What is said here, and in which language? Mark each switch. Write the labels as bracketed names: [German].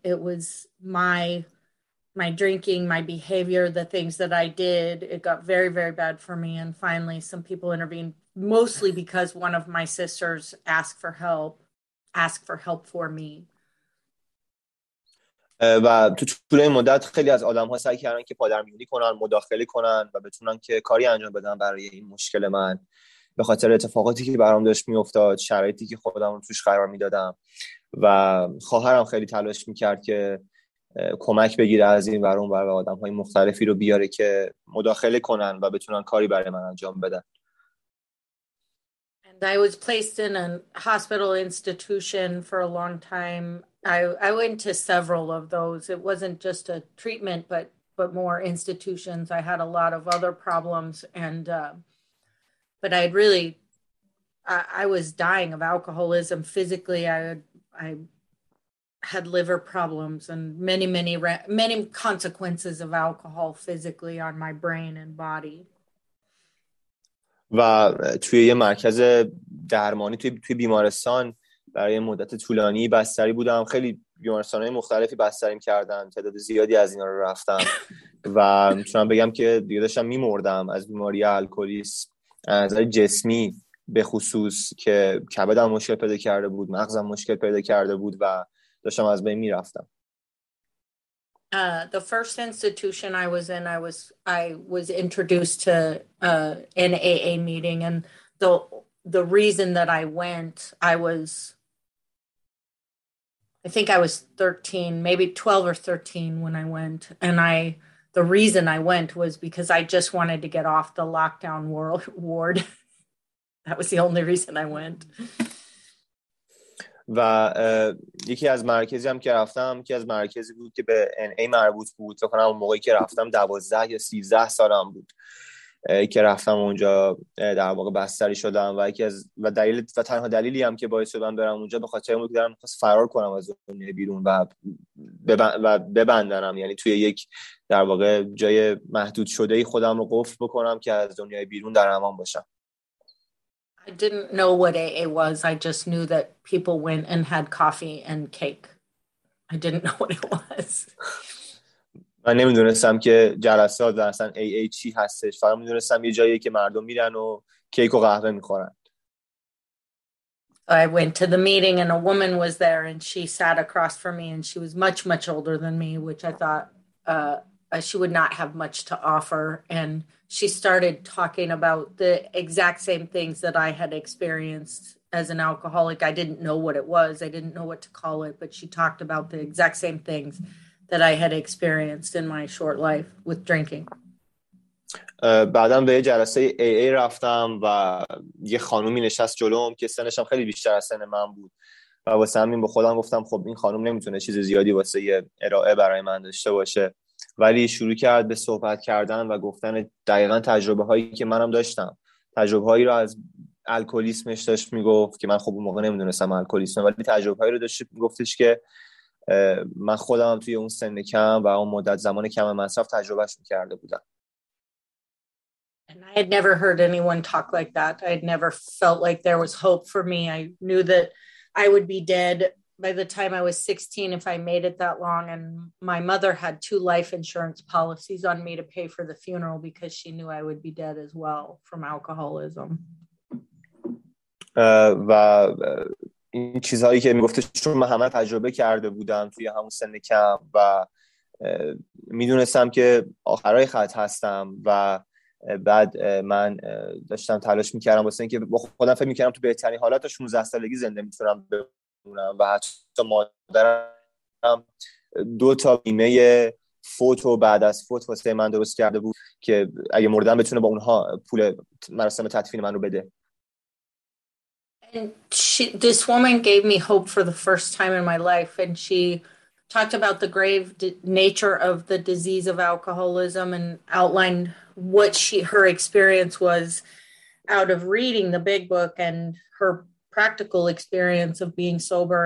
[English] It was my drinking, my behavior, the things that I did. It got very, very bad for me. And finally some people intervened, mostly because one of my sisters asked for help for me. [Persian] و تو طول این مدت خیلی از آدم ها سعی کردن که پادرمیونی کنن، مداخله کنن و بتونن که کاری انجام بدن برای این مشکل من به خاطر اتفاقاتی که برام داشت میافتاد، شرایطی که خودم رو توش قرار میدادم و خواهرم خیلی تلاش میکرد که کمک بگیره از این ور اون ور و آدم های مختلفی رو بیاره که مداخله کنن و بتونن کاری برای من انجام بدن. [English] I was placed in a hospital institution for a long time. I went to several of those. It wasn't just a treatment, but more institutions. I had a lot of other problems, and but I'd really, I was dying of alcoholism physically. I had liver problems and many consequences of alcohol physically on my brain and body. [Persian] و توی یه مرکز درمانی توی بیمارستان برای مدت طولانی بستری بودم. خیلی بیمارستان‌های مختلفی بستریم کردن، تعداد زیادی از اینا رو رفتم و میتونم بگم که دیگه داشتم میمردم از بیماری الکلیسم، از نظر جسمی به خصوص که کبدم مشکل پیدا کرده بود، مغزم مشکل پیدا کرده بود و داشتم از بین میرفتم. [English] The first institution I was in, I was introduced to an AA meeting, and the reason that I went, I think I was 13, maybe 12 or 13 when I went, and the reason I went was because I just wanted to get off the lockdown ward. That was the only reason I went. [Persian] و یکی از مرکزی هم که رفتم، یکی از مرکزی بود که به NA مربوط بود، فکر کنم موقعی که رفتم 12 یا 13 سالم بود که رفتم اونجا، در واقع بستری شدم و تنها دلیلی هم که باعث شدم برم اونجا به خاطر این بود که دارم می‌خواستم فرار کنم از اون بیرون و ببندنم، یعنی توی یک در واقع جای محدود شده خودم رو قفل بکنم که از دنیای بیرون در امان باشم. [English] I didn't know what AA was. I just knew that people went and had coffee and cake. I didn't know what it was. [Persian] من نمی‌دونستم که جلسات در اصل AA چی هستش. فقط می‌دونستم یه جاییه که مردم میرن و کیک و قهوه می‌خورن. [English] I went to the meeting and a woman was there and she sat across from me and she was much, much older than me, which I thought she would not have much to offer, and she started talking about the exact same things that I had experienced as an alcoholic. I didn't know what it was. I didn't know what to call it, but she talked about the exact same things that I had experienced in my short life with drinking. [Persian] بعدم به جلسه AA رفتم و یه خانومی نشست جلوم که سنش هم خیلی بیشتر از سن من بود و واسه همین به خودم گفتم خب این خانوم نمیتونه چیز زیادی واسه ارائه برای من داشته باشه، ولی شروع کرد به صحبت کردن و گفتن دقیقا تجربه هایی که منم داشتم، تجربه هایی رو از الکلیسمش داشت میگفت که من خب اون موقع نمیدونستم الکلیسم، ولی تجربه هایی رو داشت میگفتش که من خودم هم توی اون سن کم و اون مدت زمان کم مصرف تجربهش میکرده بودم. [English] And I had never heard anyone talk like that. I had never felt like there was hope for me. I knew that I would be dead by the time I was 16, if I made it that long, and my mother had two life insurance policies on me to pay for the funeral because she knew I would be dead as well from alcoholism. [Persian] و این چیزهایی که میگفتش چون من همه تجربه کرده بودم توی همون سن کم و میدونستم که آخرای خط هستم و بعد من داشتم تلاش میکردم واسه اینکه با خودم فکر میکردم تو بهترین حالت تا 16 سالگی زنده میتونم بمونم و حتی مادرم دو تا بیمه فوت و بعد از فوت واسه من درست کرده بود که اگه مردم بتونه با اونها پول مراسم تدفین من رو بده. [English] And she, this woman gave me hope for the first time in my life. And she talked about the grave nature of the disease of alcoholism and outlined what she her experience was out of reading the big book and her practical experience of being sober.